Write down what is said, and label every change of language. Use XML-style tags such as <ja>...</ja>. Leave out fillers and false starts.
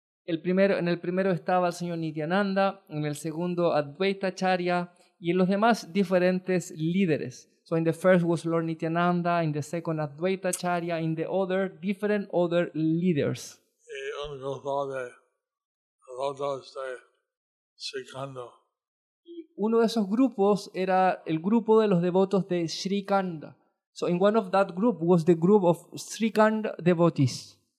<es>En el primero estaba el señor Nityananda, en el segundo Advaita Acharya y en los demás diferentes líderes.</es> <en>So in the first was Lord Nityananda, in the second Advaita Acharya, in the other different other leaders.</en> <es>Y un grupo de lotos de Sri Kanda. Y uno de esos grupos era el grupo de los devotos de Sri Kanda.</es> <en>So in one of that group was the group of Sri Kanda devotees.</en>